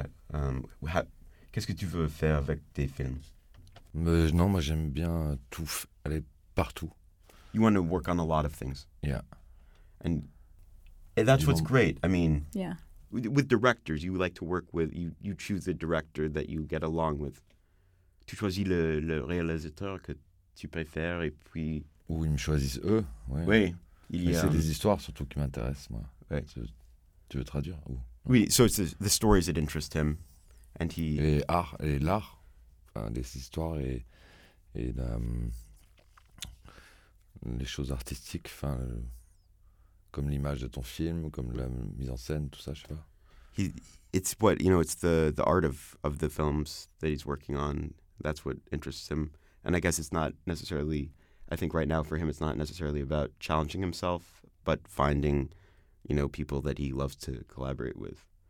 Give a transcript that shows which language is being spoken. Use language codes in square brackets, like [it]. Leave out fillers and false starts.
[fr] Qu'est-ce que tu veux faire avec tes films? Non, moi j'aime bien tout, aller partout. [en] You want to work on a lot of things. Yeah. And that's what's great. I mean, yeah. With directors, you like to work with, you choose a director that you get along with. [fr] Tu choisis le réalisateur que tu préfères et puis... Ou ils me choisissent eux. Ouais. Oui. C'est des histoires surtout qui m'intéressent, moi. Oui. Tu veux traduire ou... Oui, [en] so it's the stories that interest him. And he... [fr] Et, art, et l'art, enfin, les histoires et les choses artistiques, enfin, comme l'image de ton film, comme la mise en scène, tout ça, je sais pas. [en] It's what, you know, it's the art of the films that he's working on. That's what interests him. And I guess it's not necessarily, I think right now for him, it's not necessarily about challenging himself, but finding, you know, people that he loves to collaborate with.